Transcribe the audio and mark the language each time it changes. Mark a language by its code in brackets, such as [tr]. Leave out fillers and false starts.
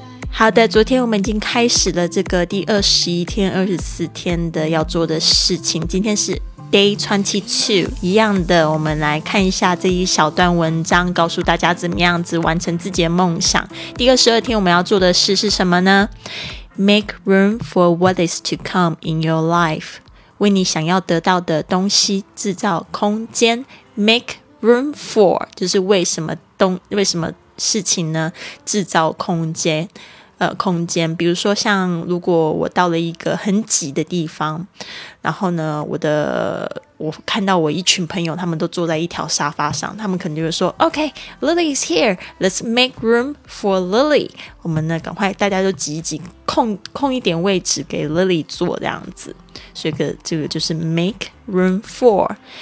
[zh] 好的，昨天我们已经开始了这个第21天、24天的要做的事情，今天是Day 22, 一样的，我们来看一下这一小段文章，告诉大家怎么样子完成自己的梦想。第22天我们要做的事是什么呢？ [en] Make room for what is to come in your life. [zh] 为你想要得到的东西制造空间。 [en] Make room for, [zh] 就是为什么事情呢？制造空间。空间，比如说像如果我到了一个很挤的地方，然后呢我看到我一群朋友他们都坐在一条沙发上，他们可能就会说 [en] OK, Lily is here, let's make room for Lily, [zh] 我们呢赶快大家都挤一挤，空一点位置给 Lily 坐这样子，所以这个就是 [en] make room for。